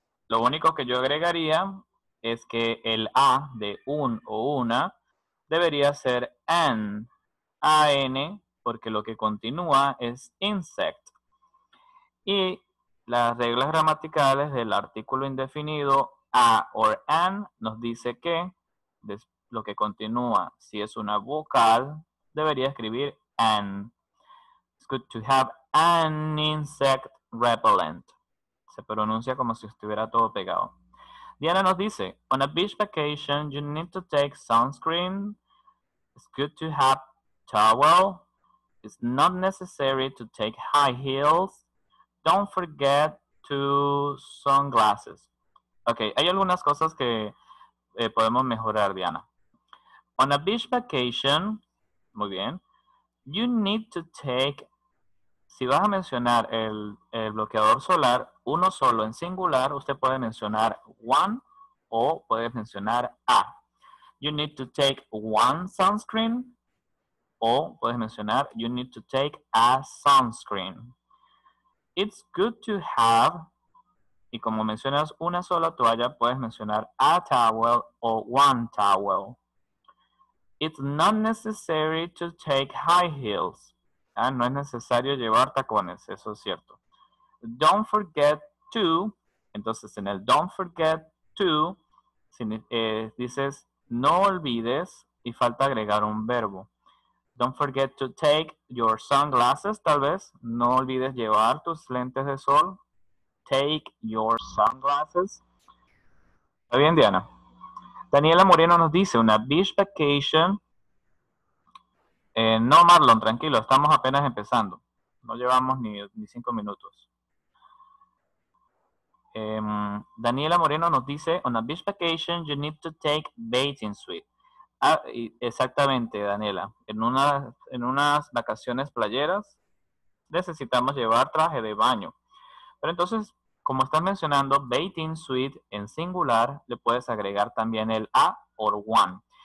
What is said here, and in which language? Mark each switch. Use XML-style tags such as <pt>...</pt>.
<es>Lo único que yo agregaría es que el a de un o una debería ser an, A-N, porque lo que continúa es insect. Y las reglas gramaticales del artículo indefinido a or an nos dice que después lo que continúa, si es una vocal, debería escribir an.</es> <en>It's good to have an insect repellent.</en> <es>Se pronuncia como si estuviera todo pegado.</es> <en>Diana</en> <es>nos dice,</es> <en>on a beach vacation, you need to take sunscreen. It's good to have towel. It's not necessary to take high heels. Don't forget to sunglasses.</en> <es>Ok, hay algunas cosas que podemos mejorar, Diana.</es> <en>On a beach vacation,</en> <es>muy bien,</es> <en>you need to take,</en> <es>si vas a mencionar el bloqueador solar, uno solo en singular, usted puede mencionar one o puede mencionar a.</es> <en>You need to take one sunscreen</en> <es>o puedes mencionar</es> <en>you need to take a sunscreen. It's good to have,</en> <es>y como mencionas una sola toalla, puedes mencionar</es> <en>a towel</en> <es>o</es> <en>one towel. It's not necessary to take high heels.</en> <es>Ah, no es necesario llevar tacones, eso es cierto.</es> <en>Don't forget to,</en> <es>entonces en el</es> <en>don't forget to,</en> <es>dices no olvides y falta agregar un verbo.</es> <en>Don't forget to take your sunglasses,</en> <es>tal vez. No olvides llevar tus lentes de sol.</es> <en>Take your sunglasses.</en> <es>¿Está bien, Diana? Daniela Moreno nos dice, una</es> <en>beach vacation.</en> <es>No, Marlon, tranquilo, estamos apenas empezando. No llevamos ni 5 minutos.</es> <en>Daniela Moreno</en> <es>nos dice,</es> <en>on a beach vacation, you need to take bathing suit.</en> <es>Ah, exactamente, Daniela. En unas vacaciones playeras, necesitamos llevar traje de baño. Pero entonces, como estás mencionando,</es> <en>bathing suit</en> <es>en singular, le puedes agregar también el a or one.</es>